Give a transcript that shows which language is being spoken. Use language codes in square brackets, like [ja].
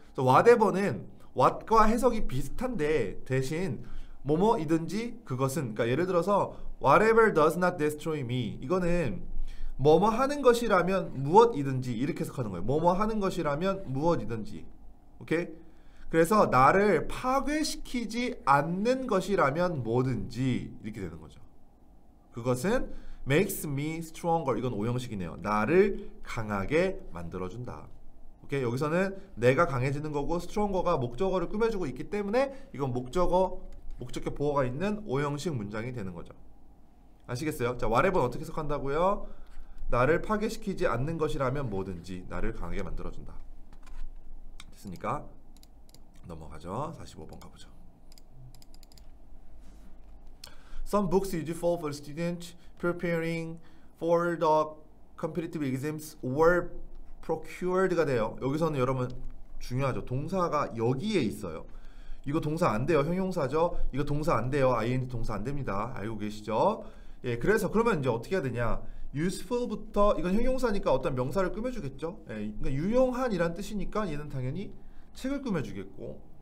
[ko] whatever는 what과 해석이 비슷한데 대신 뭐뭐이든지 그것은, 그러니까 예를 들어서 [en] whatever does not destroy me, [ko] 이거는 뭐뭐 하는 것이라면 무엇이든지 이렇게 해석하는 거예요. 뭐뭐 하는 것이라면 무엇이든지. 오케이. 그래서 나를 파괴시키지 않는 것이라면 뭐든지 이렇게 되는 거죠. 그것은 [en] makes me stronger. [ko] 이건 오형식이네요. 나를 강하게 만들어준다. 오케이? 여기서는 내가 강해지는 거고 스트롱거가 목적어를 꾸며주고 있기 때문에 이건 목적격 보호가 있는 오형식 문장이 되는 거죠. 아시겠어요? 자, whatever 어떻게 해석한다고요? 나를 파괴시키지 않는 것이라면 뭐든지 나를 강하게 만들어준다. 됐습니까? 넘어가죠. 45번 가보죠. [en] Some books are useful for students preparing for the competitive exams or procured가 돼요. [ko] 여기서는 여러분 중요하죠. 동사가 여기에 있어요. 이거 동사 안 돼요. 형용사죠. 이거 동사 안 돼요. ing 동사 안 됩니다. 알고 계시죠? 예, 그래서 그러면 이제 어떻게 해야 되냐? useful부터 이건 형용사니까 어떤 명사를 꾸며주겠죠. 예, 그러니까 유용한이란 뜻이니까 얘는 당연히 책을 꾸며주겠고.